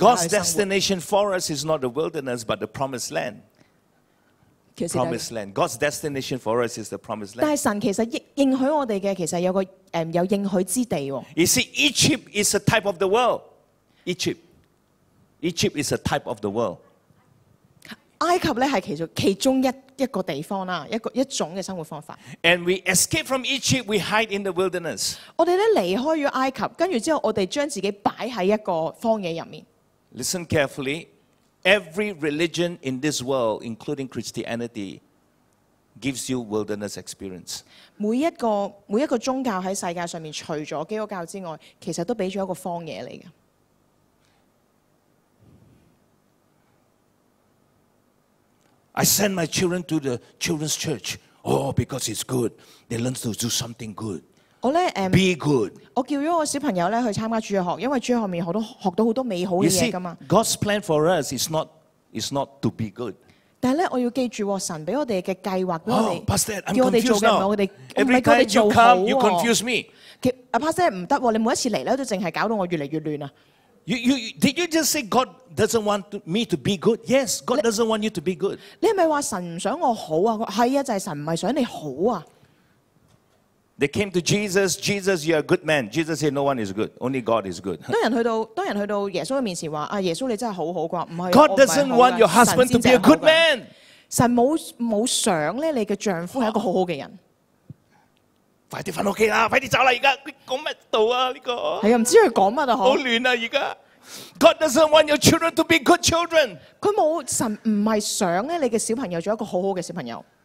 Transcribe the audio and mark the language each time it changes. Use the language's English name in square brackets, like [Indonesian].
[English] But God's destination for us is not the wilderness, but the promised land. Promised land. God's destination for us is the promised land. [Cantonese] 但系神其实应许我哋嘅，其实有个有应许之地。 [English] You see, Egypt is a type of the world. Egypt is a type of the world. [Cantonese] 埃及咧系其中一个地方啦，一种嘅生活方法。 [English] And we escape from Egypt, we hide in the wilderness. [Cantonese] 我哋咧离开咗埃及，跟住之后我哋将自己摆喺一个荒野入面。 [English] Listen carefully. Every religion in this world, including Christianity, gives you wilderness experience. [Cantonese] 每一个宗教喺世界上面，除咗基督教之外，其实都俾咗一个荒野嚟嘅。 [English] I send my children to the children's church. Oh, because it's good. They learn to do something good. Be good. [Cantonese] 我叫咗我小朋友咧去参加主日学，因为主日学面好多学到好多美好嘅嘢噶嘛。 [English] God's plan for us is not to be good. [Cantonese] 但系咧，我要记住神俾我哋嘅计划，俾我哋叫我哋做嘅唔系我哋，唔系叫我哋做 [English] 好。You confuse me. [Cantonese] 阿 Pastor 唔得，你每一次嚟咧都净系搞到我越嚟越乱啊！ [English] Did you just say God doesn't want me to be good? Yes, God doesn't want you to be good. [Cantonese] 你係咪話神唔想我好啊？係啊，就係神唔係想你好啊。 [English] They came to Jesus. Jesus, you're a good man. Jesus said, "No one is good. Only God is good." [Cantonese] 當人去到耶穌嘅面前話：啊，耶穌你真係好好啩？唔係。 [English] God doesn't want your husband to be a good man. [Cantonese] 神冇想咧，你嘅丈夫係一個好好嘅人。快啲翻屋企啦！快啲走啦！而家佢讲乜道啊？呢个系啊，唔知佢讲乜啊？好乱啊！而家 [English] God doesn't want your children to be good children. [Cantonese] 佢冇神唔係想咧，你嘅小朋友做一個好好嘅小朋友。